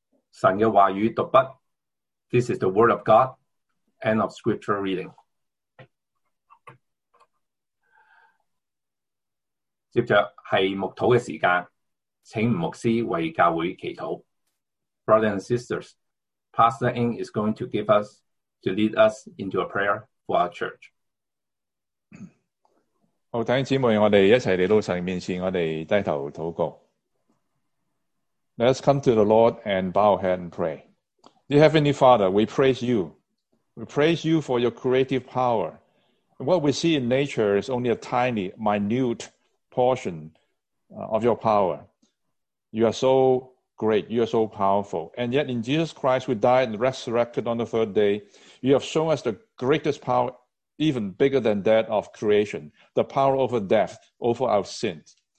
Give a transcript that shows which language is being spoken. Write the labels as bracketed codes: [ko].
[zh] 神的话语读笔。 [en] This is the word of God. End of scripture reading. [zh] 接着是牧祷的时间，请牧师为教会祈祷。 [en] Brothers and sisters, Pastor Ng is going to give us to lead us into a prayer for our church. [zh] 好，弟兄姊妹，我们一起来到神面前，我们低头祷告。 [en] Let's come to the Lord and bow our head and pray. Dear Heavenly Father, we praise you. We praise you for your creative power. What we see in nature is only a tiny, minuteportion of your power. You are so great. You are so powerful. And yet in Jesus Christ, who died and resurrected on the third day, you have shown us the greatest power, even bigger than that of creation, the power over death, over our sins.